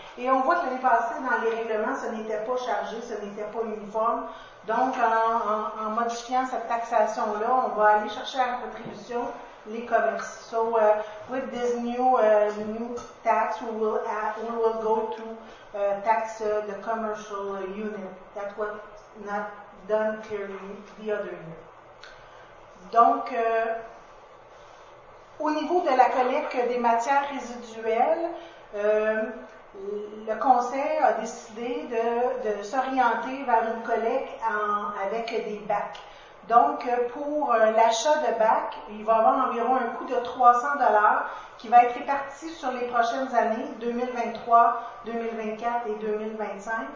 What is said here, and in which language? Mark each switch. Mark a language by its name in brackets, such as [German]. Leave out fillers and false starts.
[French] Et on voit que l'année passée dans les règlements, ce n'était pas chargé, ce n'était pas uniforme. Donc, en modifiant cette taxation-là, on va aller chercher à la contribution les commerces. [English] So, with this new tax, we will go to tax the commercial unit. That was not done clearly the other year. [French] Donc, au niveau de la collecte des matières résiduelles, le conseil a décidé de s'orienter vers une collecte avec des bacs. Donc, pour l'achat de bacs, il va avoir environ un coût de $300 qui va être réparti sur les prochaines années, 2023, 2024 et 2025.